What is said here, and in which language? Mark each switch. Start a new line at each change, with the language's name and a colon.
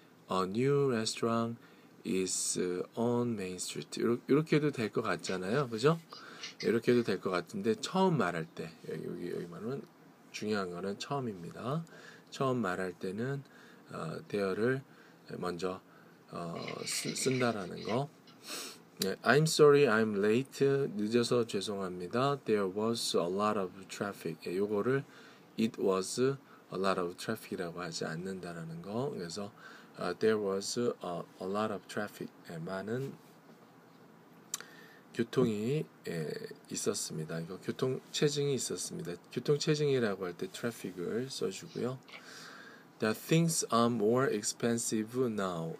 English: A new restaurant is on Main Street.
Korean: 이렇게도 될 것 같잖아요. 그죠? 이렇게도 될 것 같은데 처음 말할 때 여기만은 중요한 거는 처음입니다. 처음 말할 때는 대어를 먼저 쓴다라는 거.
English: I'm sorry I'm late.
Korean: 늦어서 죄송합니다.
English: There was a lot of traffic. 요거를 it was a lot of traffic이라고
Korean: 하지 않는다라는 거.
English: 그래서 there was a lot of traffic.
Korean: 예, 많은 교통이 예, 있었습니다. 이거 교통 체증이 있었습니다. 교통 체증이라고 할 때 traffic을 써주고요.
English: The things are more expensive now.